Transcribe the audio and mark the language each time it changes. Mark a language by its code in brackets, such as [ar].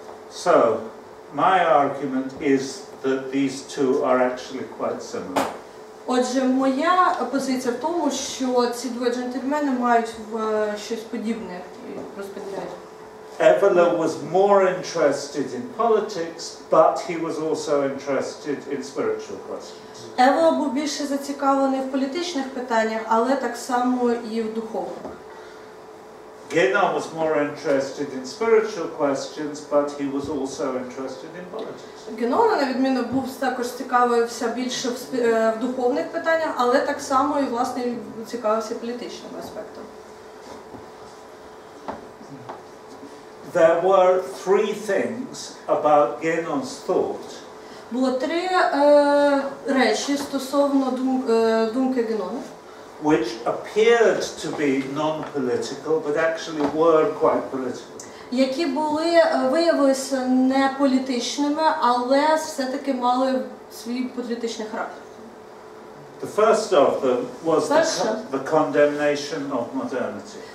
[en] So, my argument is that these two are actually quite similar. [uk] Отже, моя позиція в тому, що ці два джентльмени мають щось подібне розподіляють. [en] Евола was more interested in politics, but he was also interested in spiritual questions. [uk] Евола був більше зацікавлений в політичних питаннях, але так само і в духовних. [en] Геноном was more interested in spiritual questions, but he was also interested in politics. [uk] Геноном, на відміну, був також цікавився більше в духовних питаннях, але так само і власне цікавився політичним аспектом. [en] There were three things about Геноном's thought. [uk] Було три речі стосовно думки Геноному. [en] Which appeared to be non-political, but actually were quite political. [uk] Які були виявилися не політичними, але все-таки мали свій політичний характер. [en] The first of them was the condemnation of modernity.